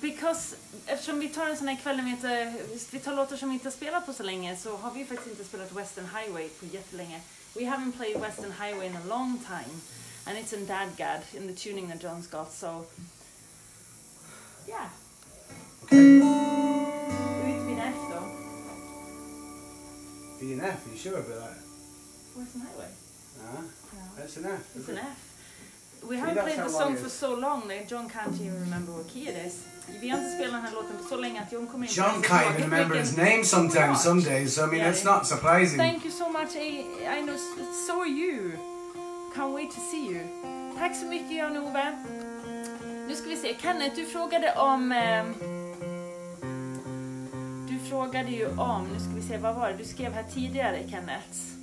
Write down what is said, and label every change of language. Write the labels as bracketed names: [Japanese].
[Swedish] Because eftersom vi tar en sån här kväll och vi tar låtar som vi inte har spelat på så länge, så har vi faktiskt inte spelat Western Highway på jättelänge. [English] We haven't played Western Highway in a long time, and it's in Dadgad, in the tuning that John's got, so... Yeah. [Swedish] Okej. [English] Okay. be an F, though. Be an F? Are you sure about that? Western Highway? Uh-huh. No. That's an F. It's an F. We haven't played the song for so long that John can't even remember what key it is. [Swedish] Vi har inte spelat den här låten på så länge att John kommer inte... [English] John can't even remember his name sometimes, some days, so I mean, that's not surprising. Thank you so much, I know, so are you. Can't wait to see you. [Swedish] Tack så mycket, [English] Jan-Ove. [Swedish] Nu ska vi se, Kenneth, du frågade om... Du frågade ju om, nu ska vi se, vad var det? Du skrev här tidigare, Kenneth.